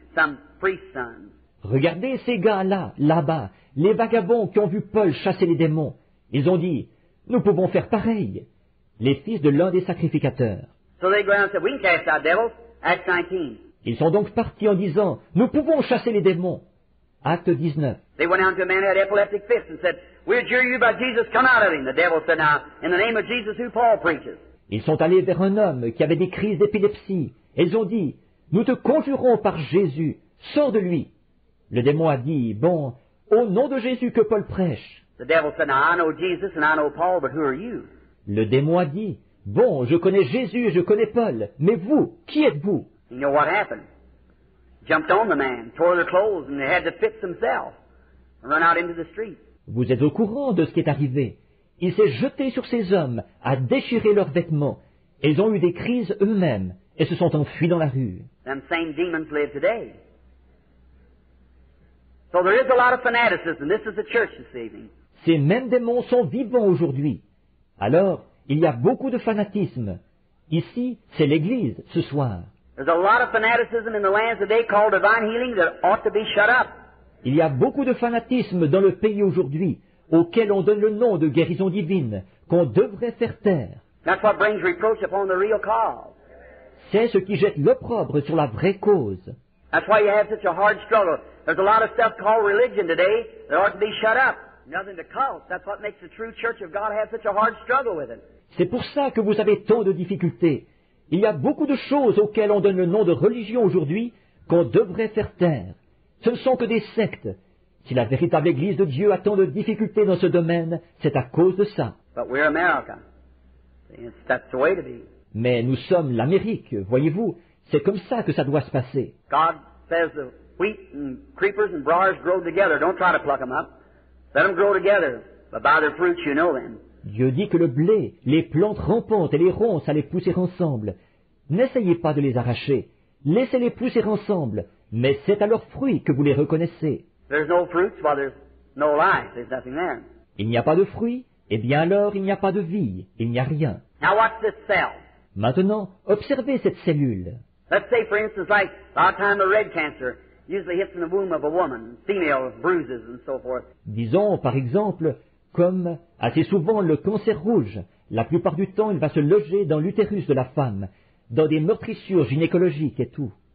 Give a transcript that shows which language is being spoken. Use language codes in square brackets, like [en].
[en] Some priest's son. [fr] Regardez ces gars-là, là-bas, les vagabonds qui ont vu Paul chasser les démons. Ils ont dit, nous pouvons faire pareil. Les fils de l'un des sacrificateurs. [en] So they go out and said, we can cast out devils. Acts 19. [fr] Ils sont donc partis en disant, nous pouvons chasser les démons. Acte 19. [en] They went out to a man who had epileptic fists and said, we adjure you by Jesus, come out of him. The devil said, now, in the name of Jesus, who Paul preaches. [fr] Ils sont allés vers un homme qui avait des crises d'épilepsie. Ils ont dit, nous te conjurons par Jésus, sors de lui. Le démon a dit, bon, au nom de Jésus que Paul prêche. [en] The devil said, now, I know Jesus and I know Paul, but who are you? [fr] Le démon a dit, bon, je connais Jésus et je connais Paul, mais vous, qui êtes-vous? [en] You know what happened? Jumped on the man, tore the clothes and had to fix himself and run out into the street. [fr] Vous êtes au courant de ce qui est arrivé. Il s'est jeté sur ces hommes, a déchiré leurs vêtements. Ils ont eu des crises eux-mêmes et se sont enfuis dans la rue. [en] Them same demons live today. So there is a lot of fanaticism. This is the church this evening. [fr] Ces mêmes démons sont vivants aujourd'hui. Alors, il y a beaucoup de fanatisme. Ici, c'est l'Église ce soir. [en] There's a lot of fanaticism in the lands today called divine healing that ought to be shut up. [fr] Il y a beaucoup de fanatisme dans le pays aujourd'hui auquel on donne le nom de guérison divine, qu'on devrait faire taire. [en] That's what brings reproach upon the real cause. [fr] C'est ce qui jette l'opprobre sur la vraie cause. [en] That's why you have such a hard struggle. There's a lot of stuff called religion today that ought to be shut up. Nothing to cult. That's what makes the true church of God have such a hard struggle with it. [fr] C'est pour ça que vous avez tant de difficultés. Il y a beaucoup de choses auxquelles on donne le nom de religion aujourd'hui qu'on devrait faire taire. Ce ne sont que des sectes. Si la véritable Église de Dieu a tant de difficultés dans ce domaine, c'est à cause de ça. [en] But we're America. That's the way to be. [fr] Mais nous sommes l'Amérique, voyez-vous. C'est comme ça que ça doit se passer. [en] God says the wheat and creepers and briars grow together. Don't try to pluck them up. Let them grow together. But by their fruits you know them. [fr] Dieu dit que le blé, les plantes rampantes et les ronces allaient pousser ensemble. N'essayez pas de les arracher. Laissez-les pousser ensemble. Mais c'est à leurs fruits que vous les reconnaissez. [en] There's no fruits, while there's no life. There's nothing there. [fr] Il n'y a pas de fruits, et bien alors il n'y a pas de vie, il n'y a rien. [en] Now watch this cell. [fr] Maintenant, observez cette cellule. [en] Let's say, for instance, like a lot of time the red cancer usually hits in the womb of a woman, female bruises and so forth. [fr] Disons, par exemple, comme assez souvent le cancer rouge, la plupart du temps il va se loger dans l'utérus de la femme, dans des meurtrissures gynécologiques et tout.